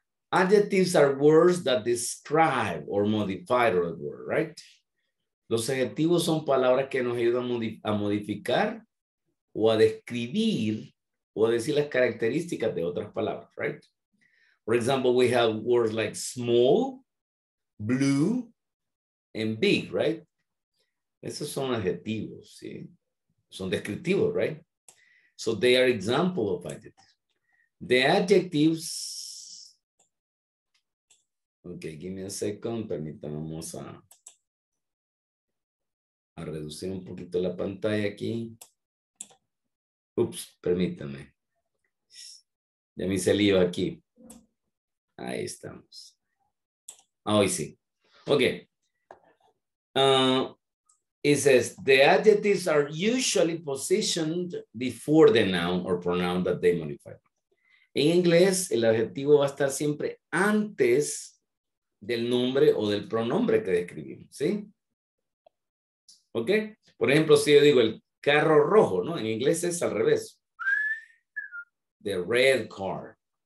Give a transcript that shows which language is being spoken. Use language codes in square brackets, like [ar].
[en] Adjectives are words that describe or modify a word, right? [es] Los adjetivos son palabras que nos ayudan a modificar o a describir o a decir las características de otras palabras, right? [en] For example, we have words like small, blue, and big, right? [es] Esos son adjetivos, ¿sí? Son descriptivos, right? [en] So they are examples of adjectives. The adjectives... Okay, give me a second. [es] Permítanme, vamos a... A reducir un poquito la pantalla aquí. Ups, permítame. Ya me hice lío aquí. Ahí estamos. Ah, hoy sí. Ok. [en] It says, the adjectives are usually positioned before the noun or pronoun that they modify. [es] En inglés, el adjetivo va a estar siempre antes del nombre o del pronombre que describimos, ¿sí? ¿Ok? Por ejemplo, si yo digo el carro rojo, ¿no? En inglés es al revés. [en] The red car.